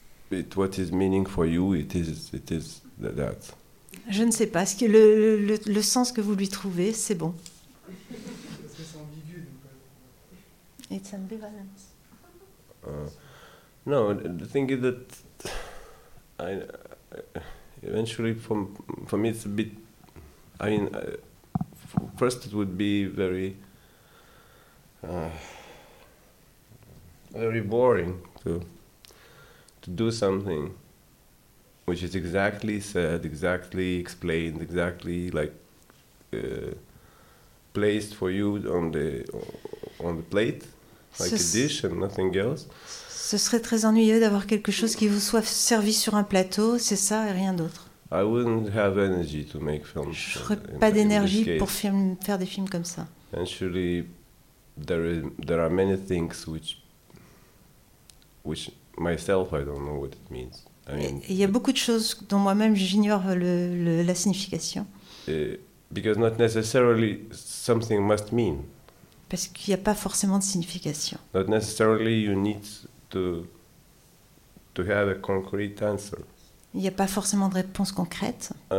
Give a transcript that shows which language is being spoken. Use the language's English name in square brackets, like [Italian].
[English] It's what is meaning for you, it is that. [French] Je ne sais pas. Ce que le sens que vous lui trouvez, c'est bon. [English] It's ambivalence. The thing is that I eventually for me it's a bit. I mean, first it would be very very boring to do something which is exactly said, exactly explained, exactly like placed for you on the plate. Like a dish and nothing else. [French] Ce serait très ennuyeux d'avoir quelque chose qui vous soit servi sur un plateau, c'est ça et rien d'autre. [English] I wouldn't have energy to make films. [French] Je n'aurais pas d'énergie pour faire des films comme ça. [English] Eventually, there are many things which myself I don't know what it means. [French] Il y a beaucoup de choses dont moi-même j'ignore la signification. [English] Because not necessarily something must mean. [French] Parce qu'il n'y a pas forcément de signification. [English] Not necessarily you need to have a concrete answer. [French] Il n'y a pas forcément de réponse concrète.